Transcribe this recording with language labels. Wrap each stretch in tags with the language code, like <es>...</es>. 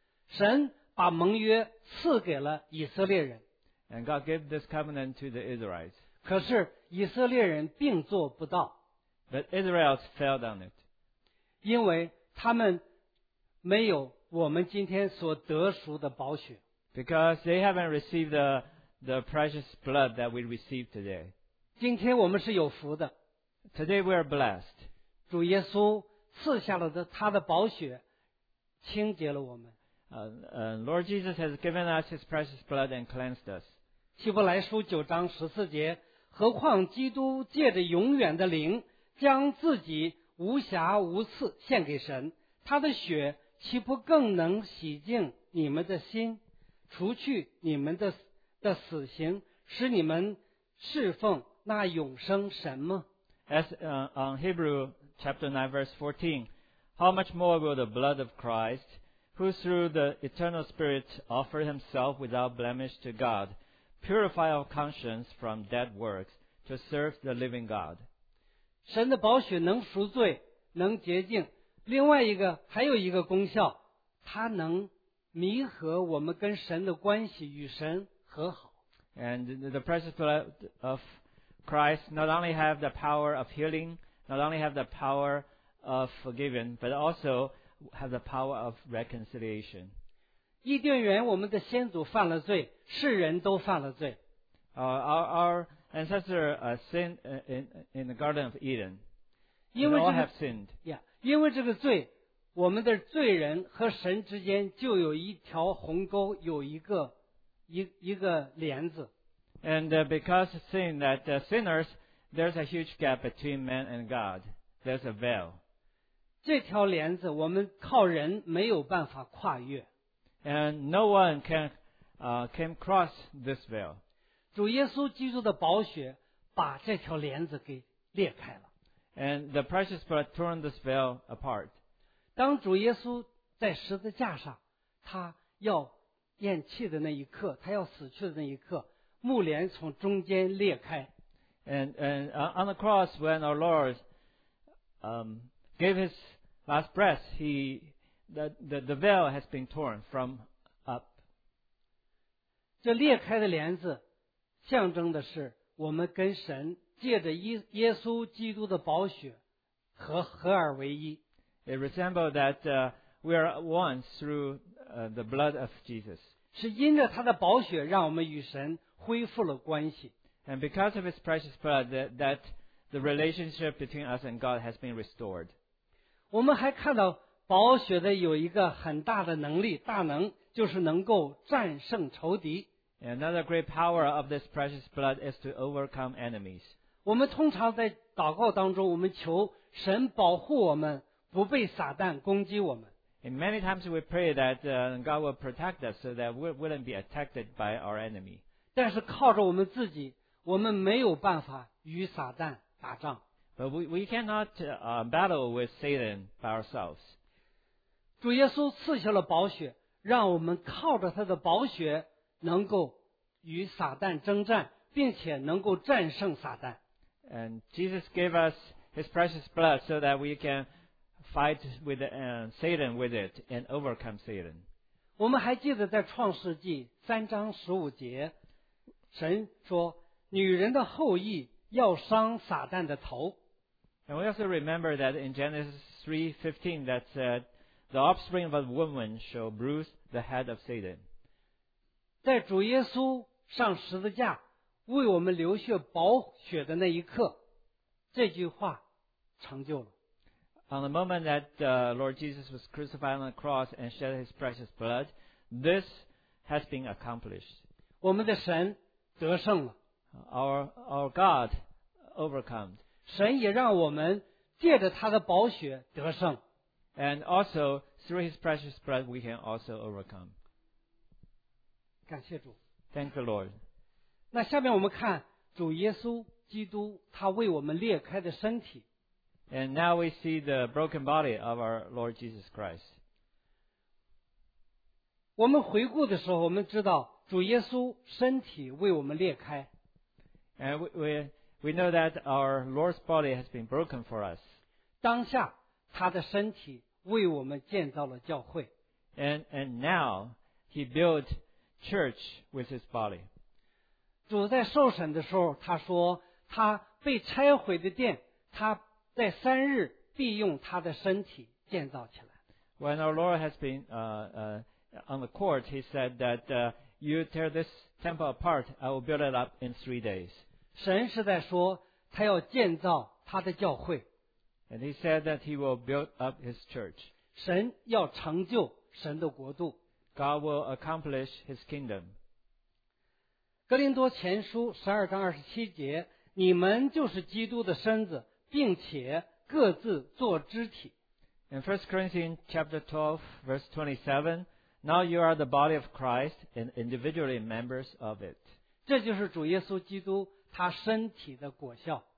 <zh>神把盟约赐给了以色列人。</zh> <en>And God gave this covenant to the Israelites.</en> <zh>可是以色列人并做不到。</zh> <en>But Israel failed on it.</en> <zh>因为他们没有我们今天所得赎的宝血。</zh> <en>Because they haven't received the precious blood that we receive today.</en> <zh>今天我们是有福的。</zh> <en>Today we are blessed.</en> <zh>主耶稣赐下了他的宝血，清洁了我们。</zh> <en>Lord Jesus has given us his precious blood and cleansed us.</en> <zh>希伯来书九章十四节，何况基督借着永远的灵将自己无瑕无疵献给神，他的血岂不更能洗净你们的心，除去你们的死刑，使你们侍奉那永生神吗？</zh> <en>As on Hebrew chapter 9 verse 14, How much more will the blood of Christ, who through the eternal spirit offered himself without blemish to God,purify our conscience from dead works to serve the living God.</en> <zh>神的宝血能赎罪，能洁净。另外一个，还有一个功效，它能弥合我们跟神的关系，与神和好。</zh> <en>And the precious blood of Christ not only have the power of healing, not only have the power of forgiving, but also have the power of reconciliation.</en> <zh>伊甸园，我们的先祖犯了罪，世人都犯了罪。</zh> <en>Our ancestor sinned in the Garden of Eden. We all have sinned.</en> <zh>Yeah, 因为这个罪，我们的罪人和神之间就有一条鸿沟，有一个帘子。</zh> <en>And because of sin, that sinners, there's a huge gap between man and God. There's a veil.</en> <zh>这条帘子，我们靠人没有办法跨越。</zh> <en>And no one can cross this veil.</en> <zh>主耶稣基督的宝血把这条帘子给裂开了。</zh> <en>And the precious blood turned this veil apart.</en> <zh>当主耶稣在十字架上，他要咽气的那一刻，他要死去的那一刻，幕帘从中间裂开。</zh> <en>And on the cross, when our Lord gave his last breath, the veil has been torn from up.</en> <zh>这裂开的帘子象征的是我们跟神借着耶稣基督的宝血合而为一。</zh> <en>It resembles that We are one through the blood of Jesus.</en> <zh>是因着他的宝血，让我们与神恢复了关系。</zh> <en>And because of His precious blood, that the relationship between us and God has been restored.</en> <zh>我们还看到宝血的有一个很大的能力，大能，就是能够战胜仇敌。</zh> <en>Another great power of this precious blood is to overcome enemies.</en> <zh>我们通常在祷告当中，我们求神保护我们，不被撒旦攻击我们。</zh> <en>And many times we pray that God will protect us so that we wouldn't be attacked by our enemy.</en> <zh>但是靠着我们自己，我们没有办法与撒旦打仗。</zh> <en>But we cannot battle with Satan by ourselves.</en> <zh>主耶稣赐下了宝血，让我们靠着他的宝血能够与撒旦征战，并且能够战胜撒旦。</zh> <en>And Jesus gave us His precious blood so that we can fight with Satan with it and overcome Satan.</en> <zh>我们还记得在创世纪三章十五节，神说：“女人的后裔要伤撒旦的头。”</zh> <en>And we also remember that in Genesis 3:15 that said, "The offspring of a woman shall bruise the head of Satan."</en> <zh>在主耶稣上十字架为我们流血宝血的那一刻，这句话成就了。</zh> <en>On the moment that Lord Jesus was crucified on the cross and shed His precious blood, this has been accomplished.</en> <zh>我们的神得胜了。</zh> <en>Our God overcome.</en> <zh>神也让我们借着他的宝血得胜。</zh> <en>And also, through His precious blood, we can also overcome.</en> <zh>感谢主。</zh> <en>Thank the Lord.</en> <zh>那下面我们看主耶稣基督他为我们裂开的身体。</zh> <en>And now we see the broken body of our Lord Jesus Christ.</en> <zh>我们回顾的时候，我们知道主耶稣身体为我们裂开。</zh> <en>And we know that our Lord's body has been broken for us.</en> <zh>当下他的身体为我们建造了教会。</zh> <en>And now he built church with his body.</en> <zh>主在受审的时候，他说他被拆毁的殿，他在三日必用他的身体建造起来。</zh> <en>When our Lord has been on the court, He said that you tear this temple apart, I will build it up in 3 days.</en> <zh>神是在说他要建造他的教会。</zh> <en>And He said that He will build up His church.</en> <zh>神要成就神的国度。</zh> <en>God will accomplish His kingdom.</en> <zh>哥林多前书12章27节，你们就是基督的身子。并且各自做肢体。</zh> <en>In 1 Corinthians chapter 12, verse 27, Now you are the body of Christ and individually members of it.</en> <zh>这就是主耶稣基督他身体的果效。</zh>